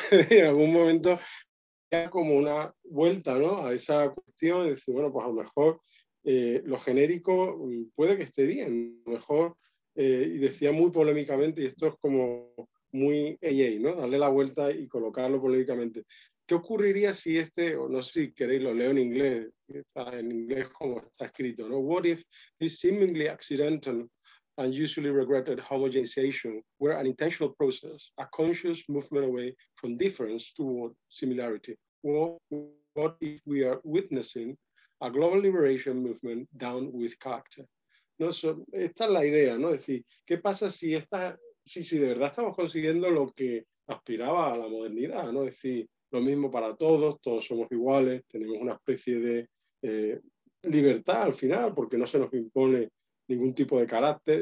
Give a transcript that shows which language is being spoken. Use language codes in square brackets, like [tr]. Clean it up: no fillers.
[es] En algún momento, era como una vuelta, ¿no? A esa cuestión, de decir, bueno, pues a lo mejor lo genérico puede que esté bien, a lo mejor, y decía muy polémicamente, y esto es como muy AA, ¿no? Darle la vuelta y colocarlo políticamente. ¿Qué ocurriría si este, o no sé si queréis, lo leo en inglés, está en inglés como está escrito, ¿no? [en] What if this seemingly accidental and usually regretted homogenization were an intentional process, a conscious movement away from difference toward similarity? Or what if we are witnessing a global liberation movement down with character? [es] ¿No? Esta es la idea, ¿no? Es decir, ¿qué pasa si esta. Sí, de verdad estamos consiguiendo lo que aspiraba a la modernidad, ¿no? Es decir, lo mismo para todos, todos somos iguales, tenemos una especie de libertad al final, porque no se nos impone ningún tipo de carácter.